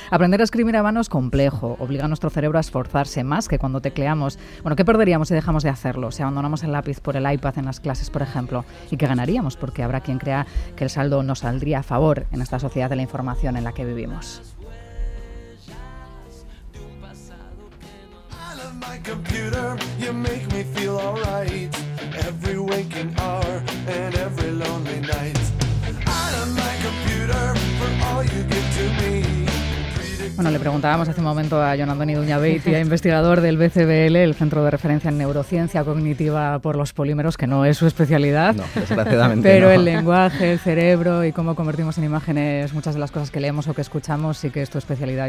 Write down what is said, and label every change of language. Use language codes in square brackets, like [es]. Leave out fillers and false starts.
[es] Aprender a escribir a mano es complejo, obliga a nuestro cerebro a esforzarse más que cuando tecleamos. Bueno, ¿qué perderíamos si dejamos de hacerlo? Si abandonamos el lápiz por el iPad en las clases, por ejemplo. ¿Y qué ganaríamos? Porque habrá quien crea que el saldo nos saldría a favor en esta sociedad de la información en la que vivimos. [en] My computer, you make me feel all right. Every waking hour and every lonely night. Out of my computer for all you give to me. [es] Bueno, le preguntábamos hace un momento a Jon Antoni Duñabeitia, investigador del BCBL, el Centro de Referencia en Neurociencia Cognitiva por los Polímeros, que no es su especialidad. No, desgraciadamente pero no. El lenguaje, el cerebro y cómo convertimos en imágenes muchas de las cosas que leemos o que escuchamos sí que es tu especialidad.